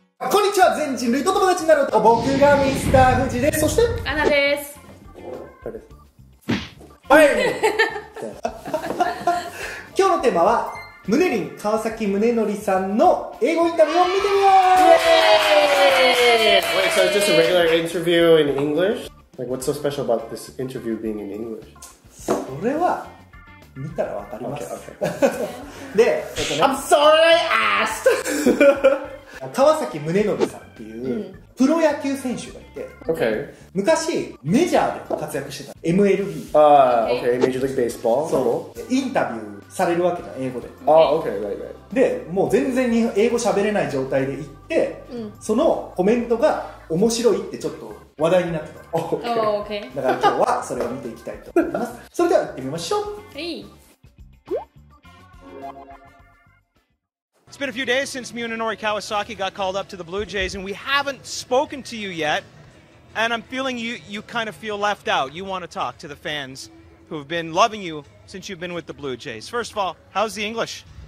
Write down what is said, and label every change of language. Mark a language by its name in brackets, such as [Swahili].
[Japanese] こんにちは、全人類と友達になる男、僕がミスター富士です。そしてアナです。はい。今日のテーマはムネリン川崎宗則さんの英語インタビューを見てみよう。 [English] Wait, so it's just a regular interview in English? Like, what's so special about this interview being in English? [Japanese] それは見たらわかります。 [English] Okay, okay. [Japanese] で、 [English] I'm sorry I asked! [Japanese] 川崎宗則さんっていうプロ野球選手がいて、 [English] Okay. [Japanese] 昔メジャーで活躍してた MLB、 [English] Okay, Major League Baseball. [Japanese] そう、インタビューされるわけだ、英語で。 [English] あ、oh, OK、right, right. [Japanese] で、もう全然に英語喋れない状態で行って、うん、そのコメントが面白いってちょっと話題になってた。 [English] OK、oh, OK。 [Japanese] だから今日はそれを見ていきたいと思います。それでは行ってみましょう。はい。 [English] It's been a few days since Munenori Kawasaki got called up to the Blue Jays, and we haven't spoken to you yet. And I'm feeling you kind of feel left out. You want to talk to the fans who have been loving you. Since you've been with the Blue Jays. First of all, how's the English?